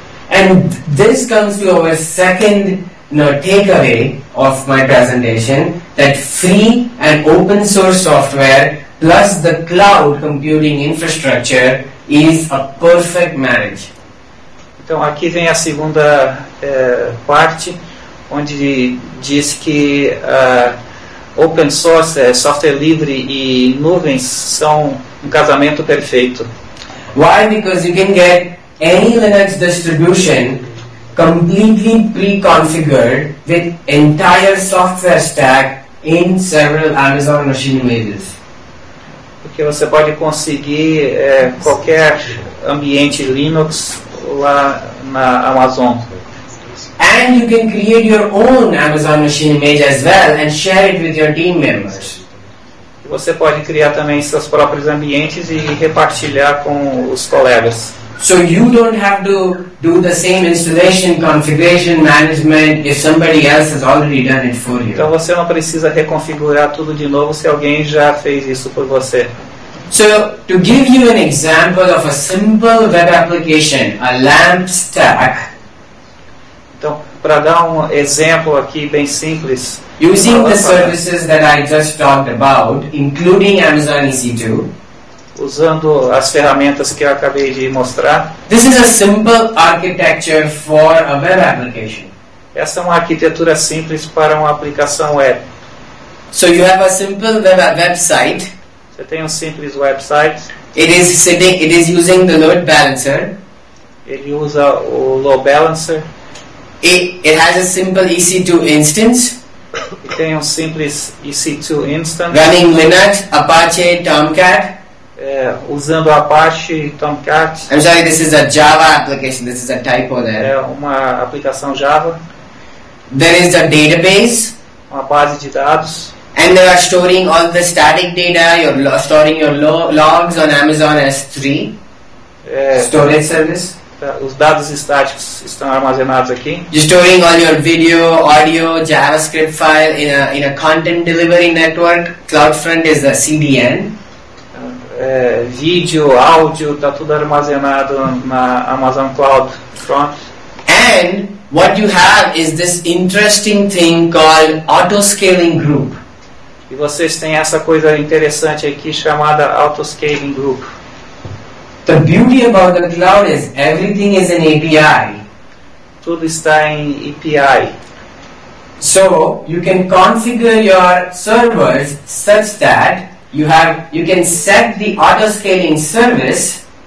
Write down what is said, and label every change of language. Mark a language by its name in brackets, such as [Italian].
[English] And this comes to our second takeaway of my presentation, that free and open source software plus the cloud computing infrastructure is a perfect marriage. [Portuguese] Então aqui vem a segunda parte, onde diz que open source, software livre e nuvens são um casamento perfeito. [English] Why? Because you can get any Linux distribution completely pre-configured with entire software stack in several Amazon machine images. [Portuguese] Porque você pode conseguir qualquer ambiente Linux lá na Amazon. [English] And you can create your own Amazon machine image as well and share it with your team members. [Portuguese] Você pode criar também seus próprios ambientes e repartilhar com os colegas. [English] So you don't have to do the same installation, configuration, management if somebody else has already done it for you. [Portuguese] Então você não precisa reconfigurar tudo de novo se alguém já fez isso por você. [English] So to give you an example of a simple web application, a LAMP stack. [Portuguese] Então, para dar um exemplo aqui bem simples, [English] using the services that I just talked about, including Amazon EC2, [Portuguese] usando as ferramentas que eu acabei de mostrar. [English] This is a simple architecture for a web application. [Portuguese] Essa é uma arquitetura simples para uma aplicação web. [English] So you have a simple website. [Portuguese] Você tem um simples website. [English] It is using the load balancer. [Portuguese] Ele usa o load balancer. [English] It has a simple EC2 instance. [Portuguese] E tem um simples EC2 instance. [English] Running Linux, Apache, Tomcat. [Portuguese] Usando Apache, Tomcat. [English] I'm sorry, this is a Java application. This is a typo there. [Portuguese] É uma aplicação Java. [English] There is a database. [Portuguese] Uma base de dados. [English] And they are storing all the static data. You're storing your logs on Amazon S3. Storage service. [Portuguese] Os dados estáticos estão armazenados aqui. [English] You're storing all your video, audio, JavaScript file in a content delivery network. CloudFront is a CDN. [Portuguese] Vídeo, áudio, está tudo armazenado na Amazon CloudFront. [English] And what you have is this interesting thing called auto-scaling group. [Portuguese] E vocês têm essa coisa interessante aqui chamada auto-scaling group. [English] The beauty about the cloud is everything is in API. [Portuguese] Tudo está em API. [English] So you can configure your servers such that you can set the auto scaling service.